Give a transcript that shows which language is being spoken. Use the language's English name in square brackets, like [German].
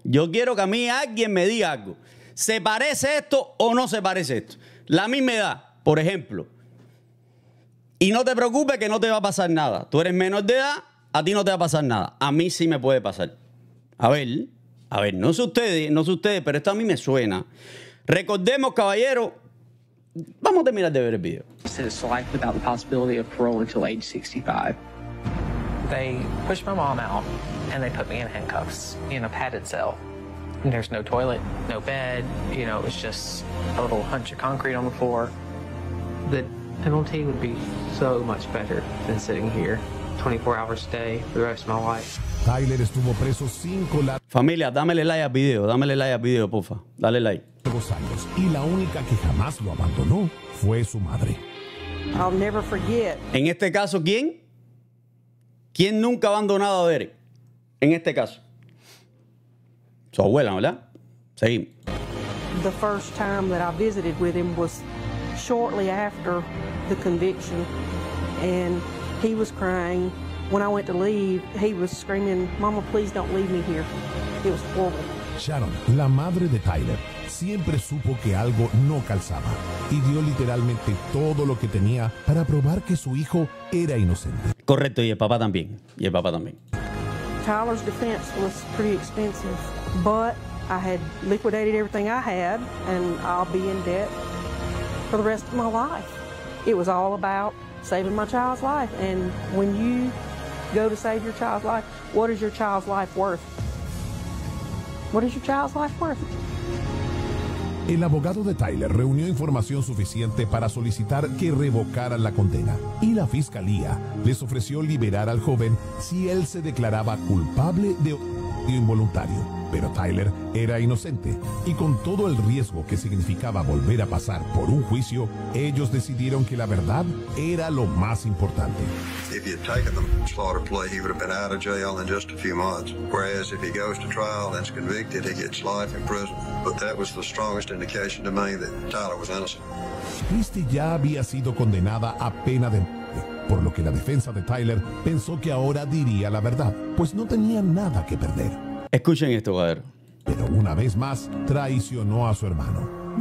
[Spanish] Yo quiero que a mí alguien me diga algo. ¿Se parece esto o no se parece esto? La misma edad, por ejemplo. Y no te preocupes que no te va a pasar nada. Tú eres menor de edad, a ti no te va a pasar nada. A mí sí me puede pasar. A ver, no sé ustedes, pero esto a mí me suena. Recordemos, caballero, vamos a terminar de ver el video. [English] It's life without the possibility of parole until age 65. They pushed my mom out and they put me in handcuffs in a padded cell. And there's no toilet, no bed, you know, it was just a little hunch of concrete on the floor. The penalty would be so much better than sitting here 24 hours a day for the rest of my life. [Spanish] Tyler estuvo preso 5 largos. Familia, dámele like al video, porfa. Dale like. 2 años, y la única que jamás lo abandonó fue su madre. [English] I'll never forget. [Spanish] En este caso, ¿quién? ¿Quién nunca ha abandonado a Derek? En este caso. Su abuela, ¿verdad? Seguimos. [English] The first time that I visited with him was shortly after the conviction. And he was crying. When I went to leave, he was screaming, Mama, please don't leave me here. It was horrible. [Spanish] Sharon, la madre de Tyler, siempre supo que algo no calzaba y dio literalmente todo lo que tenía para probar que su hijo era inocente. Correcto, y el papá también. [English] Tyler's defense was pretty expensive, but I had liquidated everything I had, and I'll be in debt for the rest of my life. It was all about saving my child's life, and when you go to save your child's life, what is your child's life worth? What is your child's life worth? [Spanish] El abogado de Tyler reunió información suficiente para solicitar que revocaran la condena, y la fiscalía les ofreció liberar al joven si él se declaraba culpable de homicidio involuntario. Pero Tyler era inocente, y con todo el riesgo que significaba volver a pasar por un juicio, ellos decidieron que la verdad era lo más importante. [English] If he had taken the slaughter plea, he would have been out of jail in just a few months. Whereas if he goes to trial and is convicted, he gets life in prison. But that was the strongest indication to me that Tyler was innocent. [Spanish] Christie ya había sido condenada a pena de muerte, por lo que la defensa de Tyler pensó que ahora diría la verdad, pues no tenía nada que perder. Escuchen esto, Gader. Pero una vez más, traicionó a su hermano.